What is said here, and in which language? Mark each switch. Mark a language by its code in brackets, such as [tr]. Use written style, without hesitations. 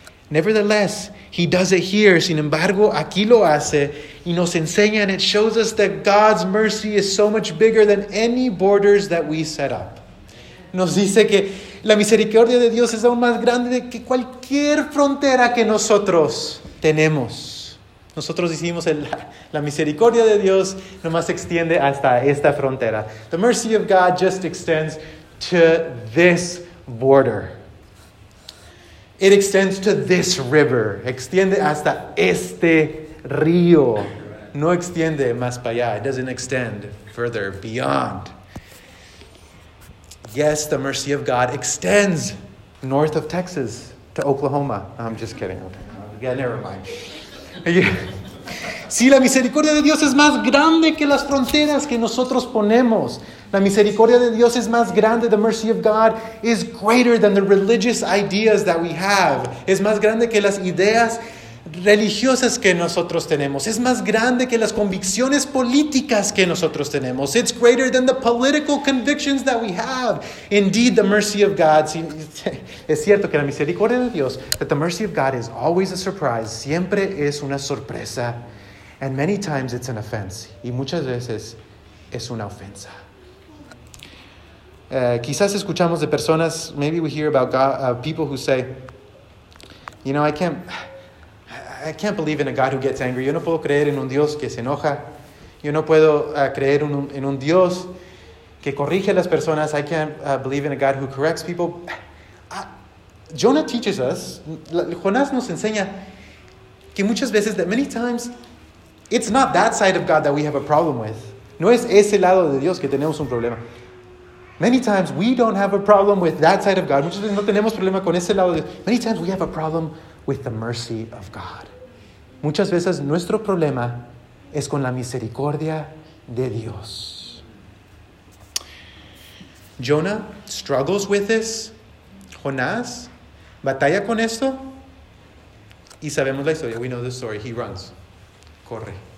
[en] Nevertheless, he does it here. [es] Sin embargo, aquí lo hace y nos enseña, [en] and it shows us that God's mercy is so much bigger than any borders that we set up. [es] Nos dice que la misericordia de Dios es aún más grande que cualquier frontera que nosotros tenemos. Nosotros decimos la misericordia de Dios nomás extiende hasta esta frontera. [en] The mercy of God just extends to this border. It extends to this river. [es] Extiende hasta este río. No extiende más para allá. [en] It doesn't extend further beyond. Yes, the mercy of God extends north of Texas to Oklahoma. I'm just kidding. Okay. Yeah, never mind. [es] Sí, la misericordia de Dios es más grande que las fronteras que nosotros ponemos. La misericordia de Dios es más grande. [en] The mercy of God is greater than the religious ideas that we have. [es] Es más grande que las ideas religiosas que nosotros tenemos. Es más grande que las convicciones políticas que nosotros tenemos. [en] It's greater than the political convictions that we have. Indeed, the mercy of God. [es] Es cierto que la misericordia de Dios, [en] that the mercy of God is always a surprise. [es] Siempre es una sorpresa. [en] And many times it's an offense. [es] Y muchas veces es una ofensa. Quizás escuchamos de personas, [en] maybe we hear about God, people who say, you know, I can't believe in a God who gets angry. [es] Yo no puedo creer en un Dios que se enoja. Yo no puedo creer en un Dios que corrige a las personas. [en] I can't believe in a God who corrects people. Jonah teaches us, [es] Jonás nos enseña que muchas veces, [en] that many times, it's not that side of God that we have a problem with. [es] No es ese lado de Dios que tenemos un problema. [en] Many times we don't have a problem with that side of God. [es] Muchas veces no tenemos problema con ese lado de Dios. [en] Many times we have a problem with the mercy of God. [es] Muchas veces nuestro problema es con la misericordia de Dios. [en] Jonah struggles with this. [es] Jonás batalla con esto. Y sabemos la historia. [en] We know the story. He runs. [es] Corre.